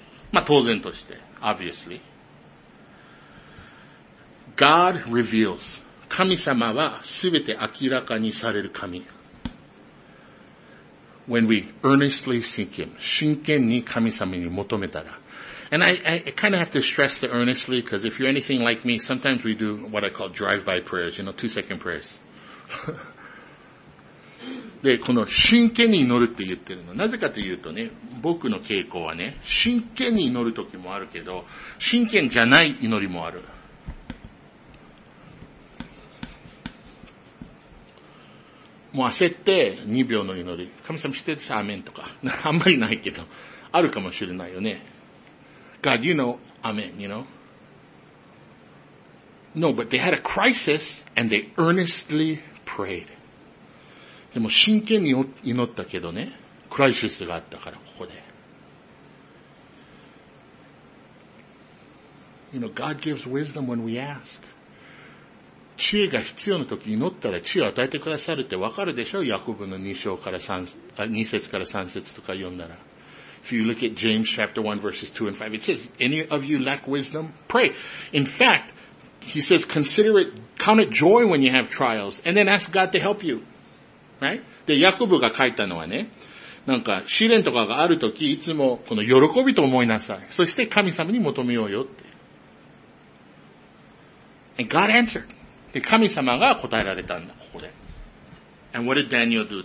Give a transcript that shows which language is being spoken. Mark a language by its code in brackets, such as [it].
[ja] まあ当然として、obviously. [en] God reveals. [ja] 神様はすべて明らかにされる神。 [en] When we earnestly seek him, [ja] 真剣に神様に求めたら。 [en] And I kind of have to stress the earnestly, because if you're anything like me, sometimes we do what I call drive-by prayers, you know, two-second prayers. [ja] で、この真剣に祈るって言ってるの。なぜかというとね、僕の傾向はね、真剣に祈る時もあるけど、真剣じゃない祈りもある。もう焦って2秒の祈り。神様知ってるし、アーメンとか。あんまりないけど。あるかもしれないよね。 [en] God, you know, amen, you know? No, but they had a crisis and they earnestly prayed. [ja] でも真剣に祈ったけどね。クライシスがあったから、ここで。 [en] You know, God gives wisdom when we ask. [ja] 知恵が必要な時祈ったら知恵を与えてくださるってわかるでしょ?ヤコブの2章から3、2節から3節とか読んだら。 [en] If you look at James chapter 1 verses 2 and 5, it says, any of you lack wisdom? Pray. In fact, he says, consider it, count it joy when you have trials, and then ask God to help you. Right? [ja] で、ヤコブが書いたのはね、なんか試練とかがある時、いつもこの喜びと思いなさい。そして神様に求めようよって。 [en] And God answered. [ja] で、神様が答えられたんだ、ここで。 [en] And what did Daniel do?